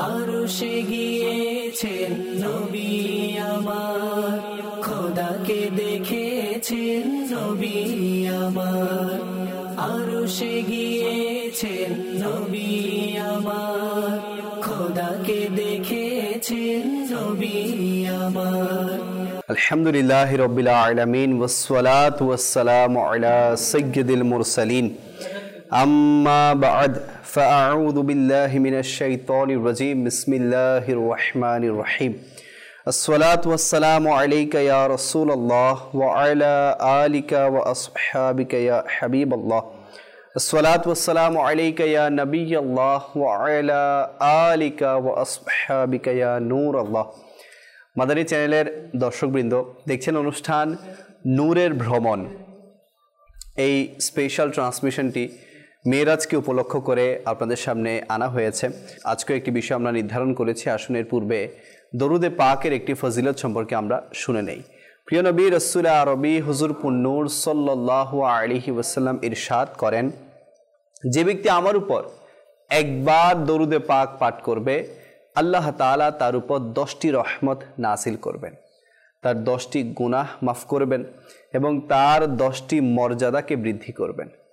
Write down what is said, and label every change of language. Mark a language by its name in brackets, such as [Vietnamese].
[Bangla] আরশে গিয়েছেন নবী আমার, খোদাকে দেখেছেন নবী আমার, আরশে গিয়েছেন নবী আমার, খোদাকে দেখেছেন নবী আমার। [Arabic] আলহামদুলিল্লাহ রাব্বিল আলামিন ওয়াসসালাতু ওয়াসসালামু আলা সাইয়্যিদিল মুরসালিন আম্মা বাদ فأعوذ بالله من الشيطان الرجيم بسم الله الرحمن الرحيم الصلاة والسلام عليك يا رسول الله وعلى آلك وأصحابك يا حبيب الله الصلاة والسلام عليك يا نبي الله وعلى آلك وأصحابك يا نور الله [Bangla] মাদানি চ্যানেলের দর্শকবৃন্দ, দেখছেন অনুষ্ঠান নূরের ভ্রমণ। এই স্পেশাল ট্রান্সমিশনটি মেয়েরাজকে উপলক্ষ করে আপনাদের সামনে আনা হয়েছে। আজকে একটি বিষয় আমরা নির্ধারণ করেছি, আসনের পূর্বে দরুদে পাকের একটি ফজিলত সম্পর্কে আমরা শুনে নেই। প্রিয় নবী রাসূল আরবি হুজুর পুন্নূর সাল্লাল্লাহু আলাইহি ওয়াসাল্লাম ইরশাদ করেন, যে ব্যক্তি আমার উপর একবার দরুদে পাক পাঠ করবে, আল্লাহ তাআলা তার উপর 10টি রহমত নাসিল করবেন, তার 10টি গুনাহ মাফ করবেন এবং তার 10টি মর্যাদাকে বৃদ্ধি করবেন।